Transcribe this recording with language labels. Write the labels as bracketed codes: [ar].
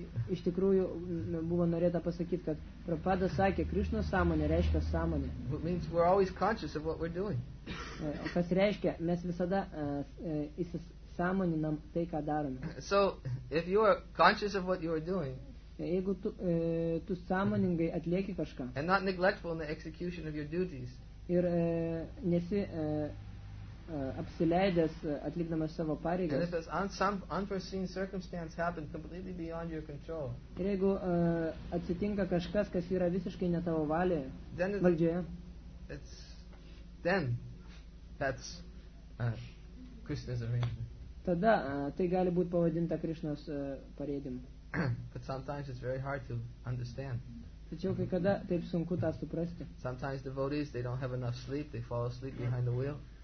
[lt] Iš tikrųjų buvo norėta pasakyti, kad Prabhupada sakė, Krishna sąmonė reiškia sąmonė. [en] It means we're always conscious of what we're doing. [lt] Kas reiškia, mes visada įsisąmoninam tai, ką darome. [en] So, if you are conscious of what you are doing, [lt] jeigu tu sąmoningai atlieki kažką, [en] and not neglectful in the execution of your duties, [lt] ir nesi apsileidęs atlikdamas savo pareigas. [en] And if some unforeseen circumstance happened completely beyond your control. [lt] Ir jeigu atsitinka kažkas, kas yra visiškai ne tavo valioje, valdžioje. [en] Then that's Krishna's arrangement. [lt] Tada tai gali būti pavadinta Krishnos parėdimu. [en] But sometimes it's very hard to understand. [lt] Tačiau kai kada taip sunku tą suprasti. [en] Sometimes devotees, they don't have enough sleep, they fall asleep behind the wheel.